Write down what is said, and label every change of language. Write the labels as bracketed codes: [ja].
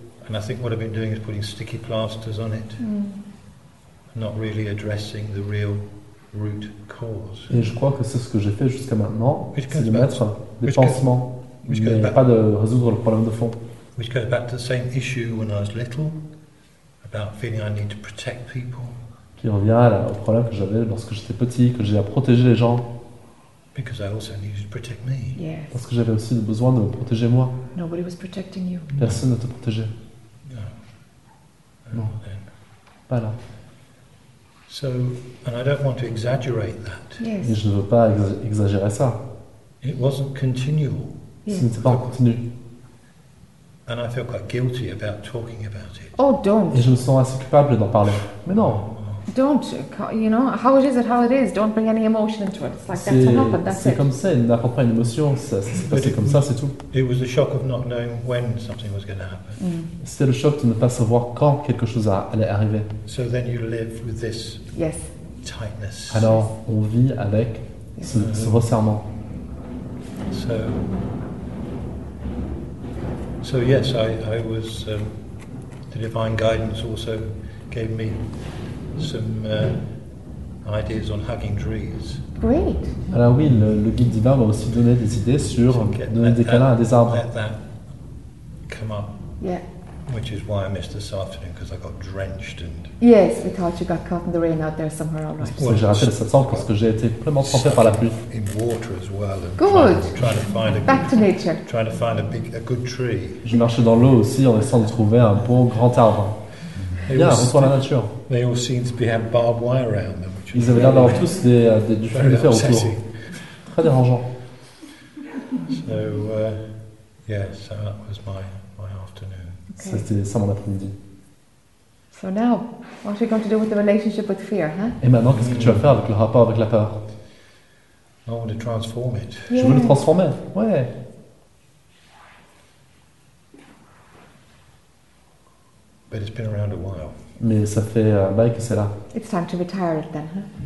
[en] And I think what I've been doing is putting sticky plasters on it, not really addressing the real. Root cause. [fr] Et je crois que c'est ce que j'ai fait jusqu'à maintenant, c'est de mettre des pansements, mais pas de résoudre le problème de fond. [en] Which goes back to the same issue when I was little, about feeling I need to protect people. [fr] Qui revient au problème que j'avais lorsque j'étais petit, que j'ai à protéger les gens. [en] Because I also needed to protect me. Yes. [fr] Parce que j'avais aussi le besoin de me protéger moi. [en] Nobody was protecting you. [fr] Personne ne te protégeait. [en] No. [fr] Non. Pas là. [en] So, and I don't want to exaggerate that. Yes. [fr] Et je ne veux pas exagérer ça. [en] It wasn't continual. [fr] Ce n'était pas continu. [en] And I feel quite guilty about talking about it. Oh, don't. [fr] Et je me sens assez coupable d'en parler. Mais non. [en] Don't, you know, how it is. Don't bring any emotion into it. It's like that's enough, but that's it. [fr] C'est comme ça. N'apporte pas une émotion. C'est comme ça. C'est tout. [en] It was a shock of not knowing when something was going to happen. Mm. [fr] C'était le choc de ne pas savoir quand quelque chose allait arriver. [en] So then you live with this. Yes. Tightness. [fr] Alors on vit avec ce resserrement. [en] So yes, I was the divine guidance also gave me. Some ideas on hugging trees. Great. [fr] Alors oui, le guide divin m'a aussi donné des idées sur donner des câlins à des arbres. [en] Let that come up. Yeah. Which is why I missed this afternoon, because I got drenched and... Yes, we thought you got caught in the rain out there somewhere, all right. [fr] Well, j'ai raté le 700 parce que j'ai été vraiment trempé par la pluie. [en] In water as well. And good. Trying to find a back good, to nature. Trying to find a good tree. [fr] Je marchais dans l'eau aussi en essayant de trouver un beau grand arbre. Bien, reçoit la nature. [en] They all seem to be having barbed wire around them, which is... [fr] Ils avaient l'air d'avoir tous du fil de fer autour. Très dérangeant. [en] So, yes, so that was my afternoon. [fr] Okay. C'était ça mon après-midi. [en] So now, what are you going to do with the relationship with fear, huh? [fr] Et maintenant, qu'est-ce que tu vas faire avec le rapport avec la peur? [en] I want to transform it. [fr] Yeah. Je veux le transformer, ouais. [en] But it's been around a while. [fr] Mais ça fait un bail que c'est là. [en] It's time to retire it then, huh?